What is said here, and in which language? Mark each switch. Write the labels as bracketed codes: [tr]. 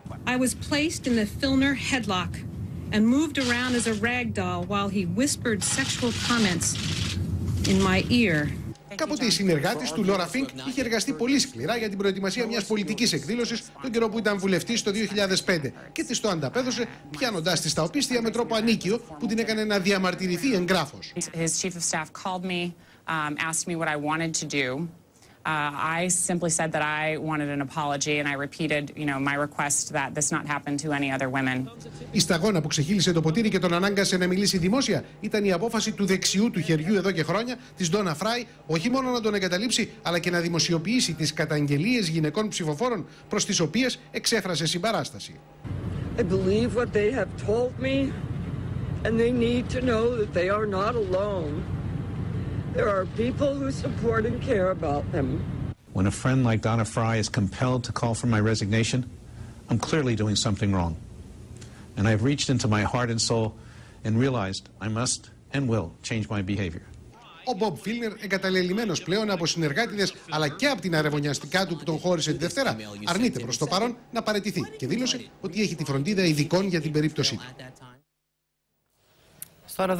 [en] I was placed in the Filner headlock and moved around as a rag doll while he whispered sexual comments in my ear. [el] Κάποτε η συνεργάτης του Λόρα Φίνκ είχε εργαστεί πολύ σκληρά για την προετοιμασία μιας πολιτικής εκδήλωσης τον καιρό που ήταν βουλευτής το 2005 και της το ανταπέδωσε πιάνοντάς της τα οπίστια με τρόπο ανίκιο που την έκανε να διαμαρτυρηθεί εγγράφος. [en] His chief of staff called me, asked me what I wanted to do. I simply said that I wanted an apology and I repeated, you know, my request that this not happen to any other women. [el] Η σταγόνα που ξεχύλισε το ποτήρι και τον ανάγκασε να μιλήσει δημόσια ήταν η απόφαση του δεξιού του χεριού εδώ και χρόνια, της Ντόνα Φράι, όχι μόνο να τον εγκαταλείψει, αλλά και να δημοσιοποιήσει τις καταγγελίες γυναικών ψηφοφόρων προς τις οποίες εξέφρασε συμπαράσταση. [en] I believe what they have told me and they need to know that they are not alone. There are people who support and care about them. When a friend like Donna Fry is compelled to call for my resignation, I'm clearly doing something wrong. And I've reached into my heart and soul and realized I must and will change my behavior. [el] Ο Μπομπ Φίλνερ, εγκαταλελειμμένος πλέον από συνεργάτηδες αλλά και από την αρεβωνιαστικά του που τον χώρισε τη Δευτέρα, αρνείται προς το παρόν να παραιτηθεί και δήλωσε ότι έχει τη φροντίδα ειδικών για την περίπτωσή του.